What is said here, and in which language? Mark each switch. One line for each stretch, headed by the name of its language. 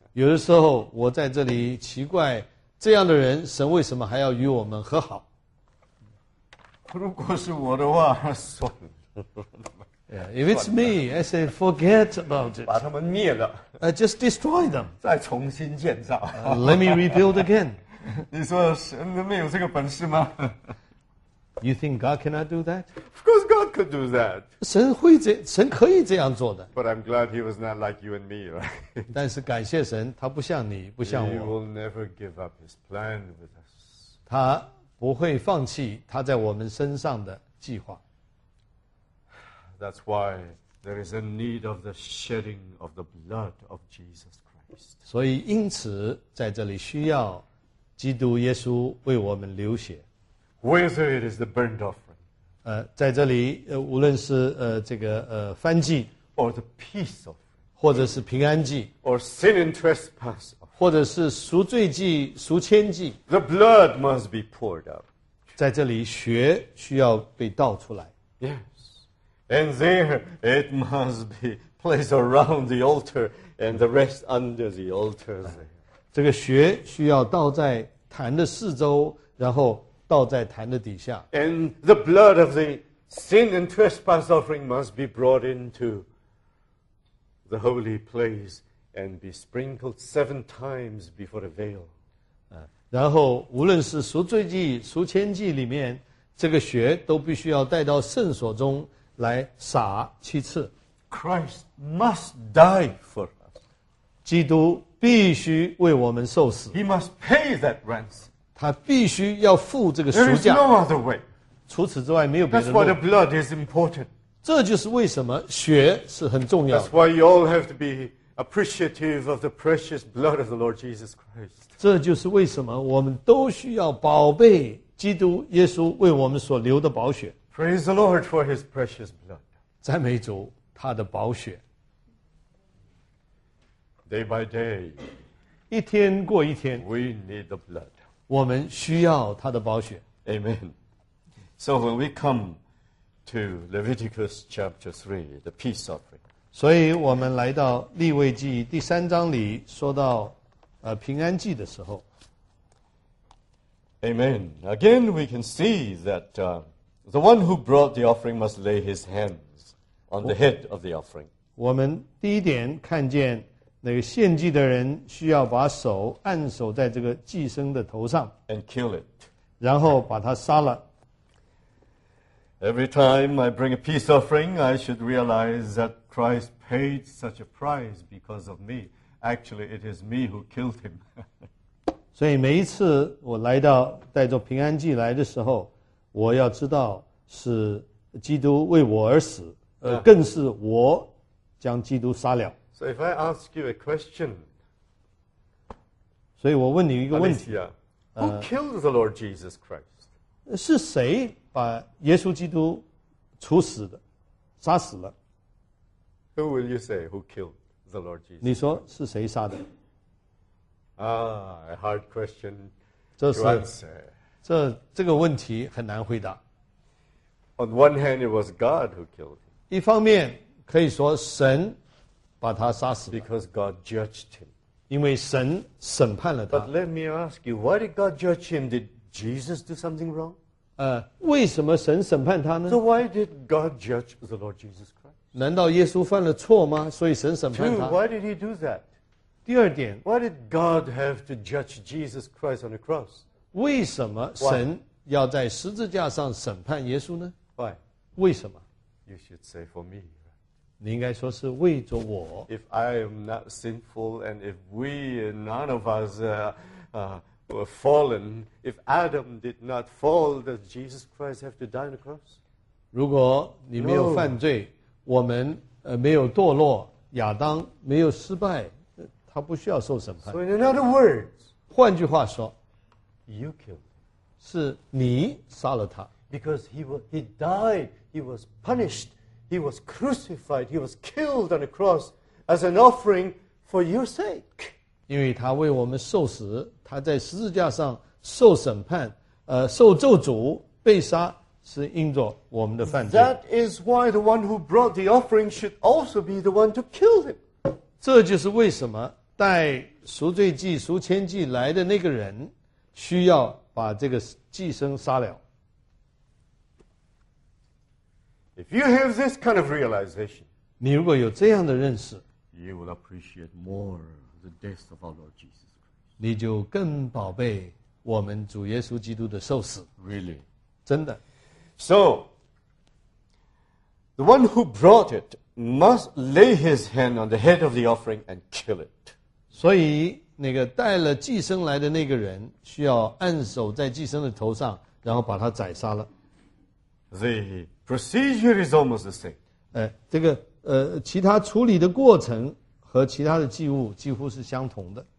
Chinese: 有的时候我在这里奇怪，这样的人，神为什么还要与我们和好？如果是我的话，算了。
English: Yeah, if it's me, I say forget about it.
Chinese: 把他们灭了。
English: Just destroy them.
Chinese: 再重新建造。
English: Let me rebuild again.
Chinese: 你说神没有这个本事吗
English: ？You think God cannot do that? Of course, God could do that.
Chinese: 神可以这样做的。
English: But I'm glad He was not like you and me, right?
Chinese: 但是感谢神，他不像你，不像我。
English: He will never give up His plan with us.
Chinese: 他。不会放弃他在我们身上的计划。
English: That's why there is a need of the shedding of the blood of Jesus Christ.
Chinese: 所以因此在这里需要基督耶稣为我们流血。
English: Whether it is the burnt offering,
Chinese: 在这里无论是这个燔祭
English: or the peace offering,
Chinese: 或者是平安祭
English: or sin and trespass.
Chinese: 或者是赎罪祭、赎愆祭
English: ，The blood must be poured out.
Chinese: 在这里，血需要被倒出来。
English: Yes, and there it must be placed around the altar and the rest under the altar.
Chinese: 这个血需要倒在坛的四周，然后倒在坛的底下。
English: And the blood of the sin and trespass offering must be brought into the holy place. And be sprinkled seven times before the veil.
Chinese: 然后无论是赎罪祭、赎愆祭里面，这个血都必须要带到圣所中来洒七次。
English: Christ must die for us.
Chinese: 基督必须为我们受死。
English: He must pay that ransom.
Chinese: 他必须要付这个赎价。
English: There is no other way.
Chinese: 除此之外没有别的路。
English: That's why the blood is important.
Chinese: 这就是为什么血是很重要的。
English: That's why you all have to be. Appreciative of the precious blood of the Lord Jesus Christ.
Chinese: 这就是为什么我们都需要宝贝基督耶稣为我们所流的宝血。
English: Praise the Lord for His precious blood.
Chinese: 赞美主他的宝血。
English: Day by day,
Chinese: 一天过一天
English: ，we need the blood.
Chinese: 我们需要他的宝血。
English: Amen. So when we come to Leviticus chapter 3, the peace offering.
Chinese: 所以我们来到利未记第三章里说到平安祭的时候。
English: Amen. Again, we can see that the one who brought the offering must lay his hands on the head of the offering.
Chinese: 我们第一点看见那个献祭的人需要把手按守在这个祭牲的头上
English: ，and kill it，
Chinese: 然后把它杀了。
English: Every time I bring a peace offering, I should realize that Christ paid such a price because of me. Actually, it is me who killed him.
Chinese: 所以每一次我来到带着平安祭来的时候，我要知道是基督为我而死，更是我将基督杀了。
English: So if I ask you a question,
Chinese: 所以我问你一个问题
English: 啊 ，Who killed the Lord Jesus Christ?
Chinese: 是谁把耶稣基督处死的，杀死了
English: ？Who will you say who killed the Lord Jesus?
Chinese: 你说是谁杀的？
English: 啊、a hard question to answer.
Chinese: 这个问题很难回答。
English: On one hand, it was God who killed him.
Chinese: 一方面可以说神。把他杀死了
English: ，because God judged him，
Chinese: 因为神审判了他。
English: But let me ask you, why did God judge him? Did Jesus do something wrong？
Chinese: 为什么神审判他呢
English: ？So why did God judge the Lord Jesus Christ？
Chinese: 难道耶稣犯了错吗？所以神审判他
English: ？Two, why did he do that？
Chinese: 第二点
English: ，Why did God have to judge Jesus Christ on the cross？
Chinese: 为什么神要在十字架上审判耶稣呢
English: ？Why？
Chinese: 为什么
English: ？You should say for me。
Chinese: 你应该说是为着我。
English: If I am not sinful, and if we, none of us, were fallen, if Adam did not fall, does Jesus Christ have to die on the cross?
Chinese: 如果你没有犯罪，
English: no.
Chinese: 我们没有堕落，亚当没有失败，他不需要受审判。
English: So in another words,
Chinese: 换句话说
English: ，You killed,
Chinese: 是你杀了他。
English: Because he died, he was punished. He was crucified. He was killed on the cross as an offering for your sake.
Chinese: 因为他为我们受死，他在十字架上受审判，受咒诅，被杀，是因着我们的犯罪。
English: That is why the one who brought the offering should also be the one to kill him.
Chinese: 这就是为什么带赎罪祭、赎愆祭来的那个人需要把这个祭牲杀了。
English: If you have this kind of realization,
Chinese: 你如果有这样的认识
English: you will appreciate more the death of our Lord Jesus Christ.
Chinese: 你就更宝贝我们主耶稣基督的受死
English: Really?
Chinese: 真的
English: So, the one who brought it must lay his hand on the head of the offering and kill it.
Chinese: 所以那个带了祭牲来的那个人需要按手在祭牲的头上然后把他宰杀了
English: The... Procedure is almost the same.
Chinese: 这个其他处理的过程和其他的祭物几乎是相同的。